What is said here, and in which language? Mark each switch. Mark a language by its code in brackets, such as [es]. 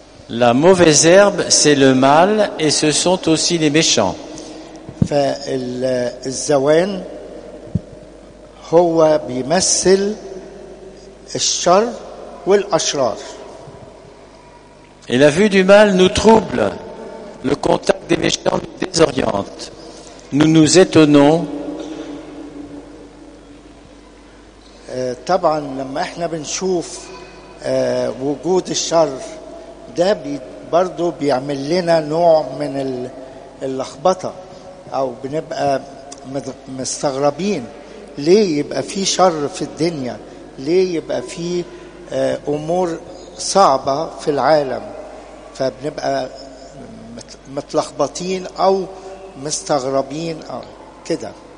[fr] La mauvaise herbe, c'est le mal et ce sont aussi les méchants. [ar] فالزوان هو بيمثل الشر والأشرار. [fr] Et la vue du mal nous trouble. Le contact des méchants nous désoriente. Nous nous étonnons. [ar] طبعا لما احنا بنشوف وجود الشر ده برضو بيعمل لنا نوع من اللخبطة او بنبقى مستغربين ليه يبقى في شر في الدنيا ليه يبقى في امور صعبة في العالم فبنبقى متلخبطين او مستغربين او كده.